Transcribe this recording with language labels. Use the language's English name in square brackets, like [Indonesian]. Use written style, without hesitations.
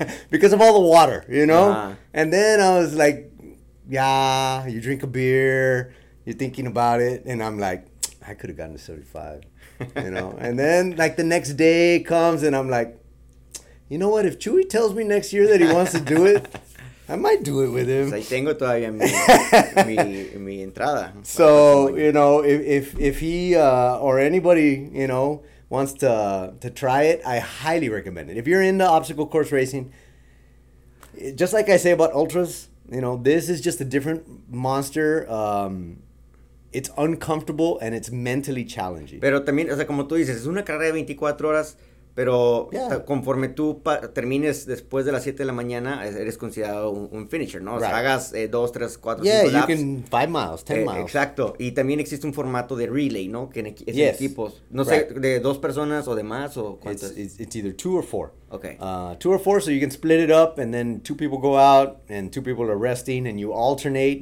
[English] Because of all the water, you know. Uh-huh. And then I was like, yeah, you drink a beer, you're thinking about it, and I'm like, I could have gotten to 75, you know. And then, like, the next day comes, and I'm like, you know what, if Chewy tells me next year that he wants to do it, I might do it with him. [Spanish] I tengo todavía mi entrada. [English] So, you know, if he or anybody, you know, wants to try it, I highly recommend it. If you're into obstacle course racing, just like I say about ultras, you know, this is just a different monster. It's uncomfortable and it's mentally challenging. [Spanish] Pero también, o sea, como tú dices, es una carrera de 24 horas, pero [English] yeah. [Spanish] Conforme tú termines después de las 7 de la mañana, eres considerado un finisher, ¿no? O sea, [English] right. [Spanish] Hagas 2, 3, 4, 5 laps. [English] Yeah, you can 5 miles, 10 miles. [Spanish] Exacto. Y también existe un formato de relay, ¿no? Que es [English] yes. [Spanish] En equipos. No [English] right. [Spanish] Sé, de dos personas o de más o cuántos. [English] It's either 2 or 4. Okay. 2 or 4, so you can split it up and then 2 people go out and 2 people are resting and you alternate.